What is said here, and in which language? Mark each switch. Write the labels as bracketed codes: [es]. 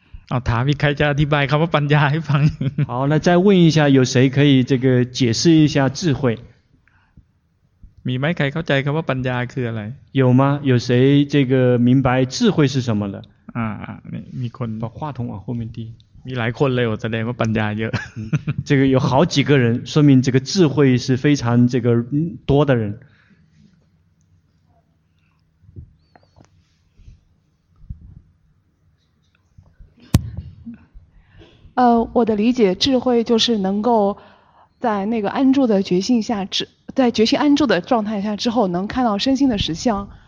[th] 哦，ถามใครจะอธิบายคำว่าปัญญาให้ฟัง？ [zh] 好，那再问一下，有谁可以这个解释一下智慧？ [th] มีไหมใครเข้าใจคำว่าปัญญาคืออะไร？ [zh] 有吗？有谁这个明白智慧是什么的？ [th] มีคน [zh] 把话筒往后面递。 [th] มีหลายคนเลยแสดงว่าปัญญาเยอะ [zh] 这个有好几个人，说明这个智慧是非常这个多的人。我的理解，智慧就是能够在那个安住的觉性下，在觉性安住的状态下之后，能看到身心的实相。